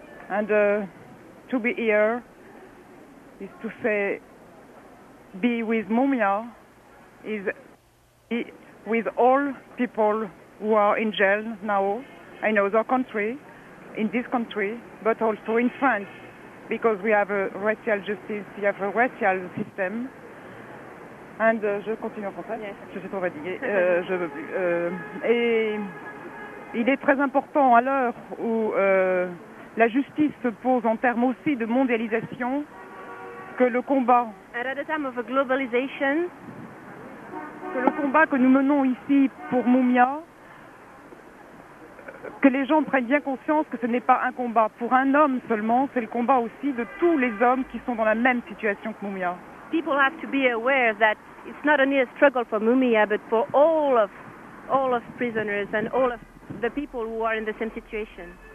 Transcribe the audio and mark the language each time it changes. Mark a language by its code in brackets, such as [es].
[en] And to be here is to say, be with Mumia is with all people who are in jail now. I know their country, in this country, but also in France, because we have a racial justice, we have a racial system. [fr] And je continue en français. [en] Yes. [fr] Je suis trop fatiguée. Je veux plus. Et il est très important à l'heure où la justice se pose en termes aussi de mondialisation que le combat. [en] At a time of a globalization. [fr] Que le combat que nous menons ici pour Mumia, que les gens prennent bien conscience que ce n'est pas un combat pour un homme seulement, c'est le combat aussi de tous les hommes qui sont dans la même situation que Mumia. [en] People have to be aware that it's not only a struggle for Mumia, but for all of prisoners and all of the people who are in the same situation.